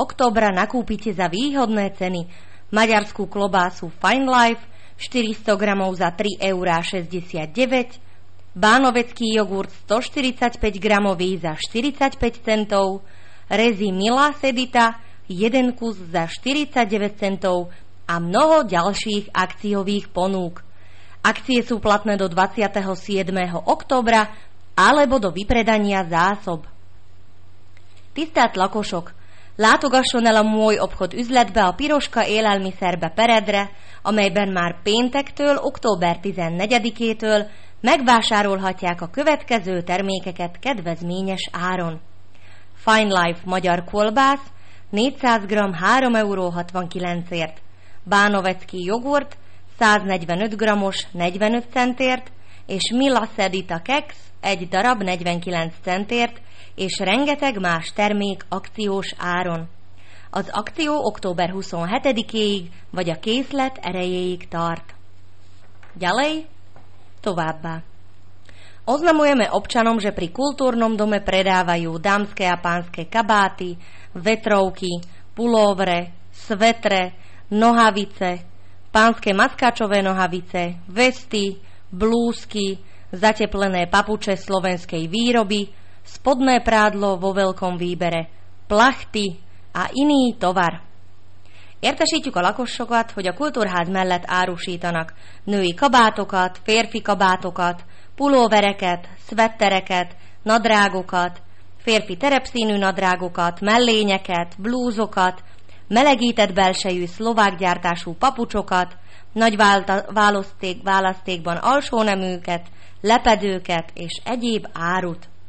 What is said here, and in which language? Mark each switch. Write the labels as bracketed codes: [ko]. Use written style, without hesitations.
[sk] októbra nakúpite za výhodné ceny maďarskú klobásu Fine Life 400 g za 3,69 €, bánovecký jogurt 145 g za 45 centov, rezy Milá Sedita 1 kus za 49 centov a mnoho ďalších akciových ponúk. Akcie sú platné do 27. októbra alebo do vypredania zásob. [hu] Tisztelt lakosok, látogasson el a Môj obchod üzletbe a Piroska élelmiszerbe Peredre, amelyben már péntektől, október 14-től megvásárolhatják a következő termékeket kedvezményes áron. Fine Life magyar kolbász 400 g 3,69 €, bánovecký jogurt 145 g-os 45 centért, és Mila Sedita keks 1 darab 49 centért, és rengeteg más termék akciós áron. Az akció október 27-éig, vagy a készlet erejéig tart. [sk] Ďalej, továbbá. Oznamujeme občanom, že pri kultúrnom dome predávajú dámske a pánske kabáty, vetrovky, pulóvre, svetre, nohavice, pánske maskáčové nohavice, vesty, blúzky, zateplené papuče slovenskej výroby, spodné prádlo vo veľkom výbere, plachty a iný tovar. [hu] Értesítjük a lakosokat, hogy a kultúrház mellett árusítanak női kabátokat, férfi kabátokat, pulóvereket, szvettereket, nadrágokat, férfi terepszínű nadrágokat, mellényeket, blúzokat, melegített belsejű szlovák gyártású papucsokat, nagy választékban alsóneműket, lepedőket és egyéb árut.